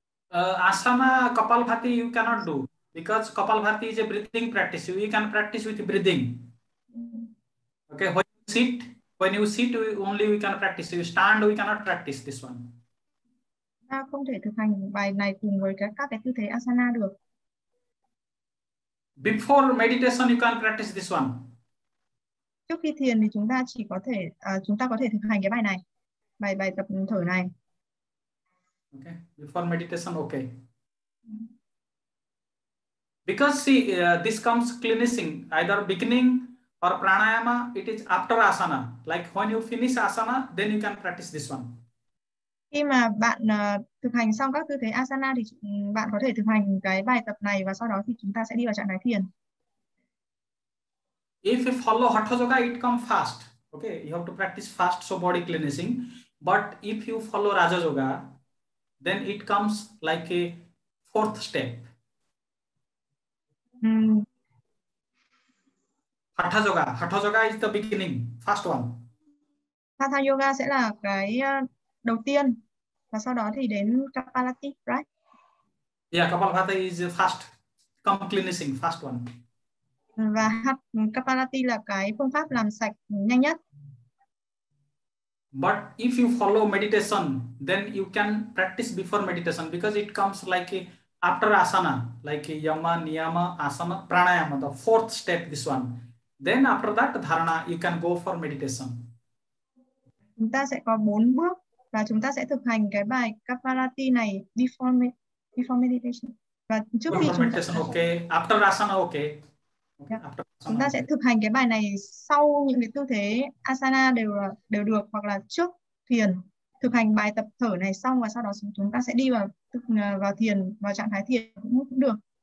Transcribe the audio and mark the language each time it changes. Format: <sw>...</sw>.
<en>Asana Kapalbhati you cannot do because Kapalbhati is a breathing practice. We can practice with breathing. Okay, when you sit, we only can practice. You stand, we cannot practice this one.</en> <vi>ta không thể thực hành bài này cùng với các cái tư thế asana được.</vi> <en>Before meditation you can practice this one.</en> <vi>Trước khi thiền thì chúng ta chỉ có thể chúng ta có thể thực hành cái bài này. Bài tập thở này.</vi> <en>Okay, before meditation, okay. Because see, this comes cleansing, either beginning or pranayama, it is after asana. Like when you finish asana, then you can practice this one.</en> <vi>Khi mà bạn thực hành xong các tư thế asana thì bạn có thể thực hành cái bài tập này và sau đó thì chúng ta sẽ đi vào trạng thái thiền.</vi> <en>If you follow hatha yoga, it comes fast. Okay, you have to practice fast so body cleansing. But if you follow raja yoga, then it comes like a fourth step. Hatha yoga is the beginning, first one.</en> <vi>Hatha yoga sẽ là cái đầu tiên và sau đó thì đến Kapalabhati,</vi> <en>right? Yeah, Kapalabhati is the first, come cleansing, first one.</en> <vi>Và Kapalabhati là cái phương pháp làm sạch nhanh nhất.</vi> <en>But if you follow meditation, then you can practice before meditation because it comes like after asana, like yama, niyama, asana, pranayama, the fourth step, this one. Then after that dharana, you can go for meditation.</en> <vi>Chúng ta sẽ có bốn bước và chúng ta sẽ thực hành cái bài Kapalabhati này</vi> <en>before meditation.</en> <vi>Và trước khi chúng ta...</vi> <en>Okay. After asana, okay. Yeah.</en> <vi>Chúng ta sẽ thực hành cái bài này sau những cái tư thế asana đều được, hoặc là trước thiền thực hành bài tập thở này xong và sau đó chúng ta sẽ đi vào thiền, vào trạng thái thiền cũng được.</vi>